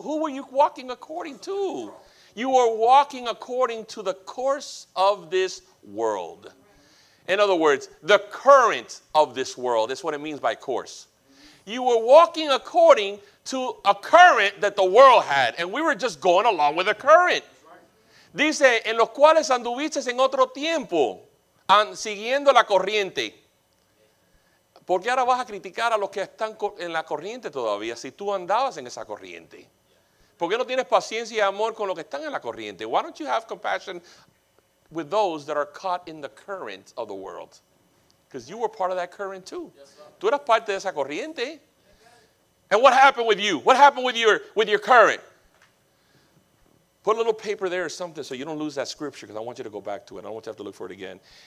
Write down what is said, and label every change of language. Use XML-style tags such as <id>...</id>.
<en>Who were you walking according to? You were walking according to the course of this world. In other words, the current of this world is what it means by course. You were walking according to a current that the world had, and we were just going along with the current.</en> <es>Dice, en los cuales anduviste en otro tiempo, siguiendo la corriente. ¿Por qué ahora vas a criticar a los que están en la corriente todavía si tú andabas en esa corriente? ¿Por qué no tienes paciencia y amor con los que están en la corriente?</es> <en>Why don't you have compassion with those that are caught in the current of the world? Because you were part of that current too.</en> <es>Tú eras parte de esa corriente.</es> <en>And what happened with you? What happened with your current? Put a little paper there or something so you don't lose that scripture because I want you to go back to it. I don't want you to have to look for it again.</en>